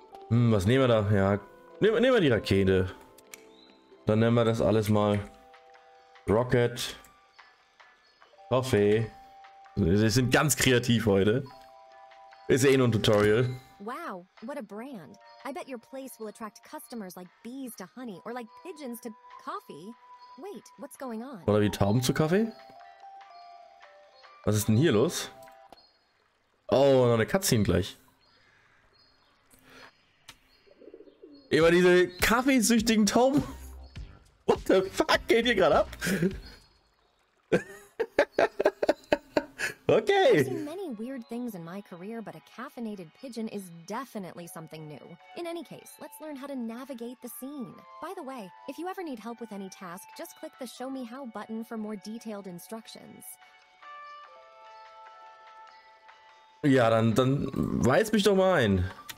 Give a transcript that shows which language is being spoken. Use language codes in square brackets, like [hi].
[de] was nehmen wir da? Ja, nehmen wir die Rakete. Dann nennen wir das alles mal Rocket Coffee. Wir sind ganz kreativ heute. Ist eh nur ein Tutorial. [en] Wow, what a brand. I bet your place will attract customers like bees to honey or like pigeons to coffee. Wait, what's going on? [de] Oder wie Tauben zu Kaffee? Was ist denn hier los? Oh, noch eine Cutscene gleich. Immer diese kaffeesüchtigen Tauben. [en] What the fuck [de] geht hier gerade ab? Okay. [en] I've seen many weird things in my career, but a caffeinated pigeon is definitely something new. In any case, let's learn how to navigate the scene. By the way, if you ever need help with any task, just click the Show Me How button for more detailed instructions. [de] Ja, dann weiß mich doch mal ein.